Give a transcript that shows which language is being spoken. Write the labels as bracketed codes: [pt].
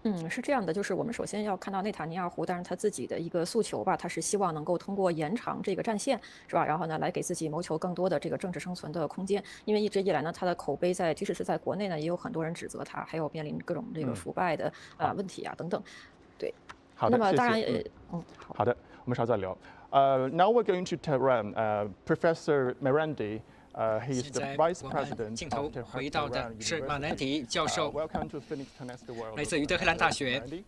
[zh] 是这样的，就是我们首先要看到内塔尼亚胡，当然他自己的一个诉求吧，他是希望能够通过延长这个战线，是吧？然后呢，来给自己谋求更多的这个政治生存的空间。因为一直以来呢，他的口碑在，即使是在国内呢，也有很多人指责他，还有面临各种这个腐败的问题啊等等。对，好的，那么当然，谢谢。好的，我们稍再聊。 [en] Now we're going to Tehran. Professor Mirandi. He is the vice president. [zh] 镜头回到的是马南迪教授，来自于德黑兰大学。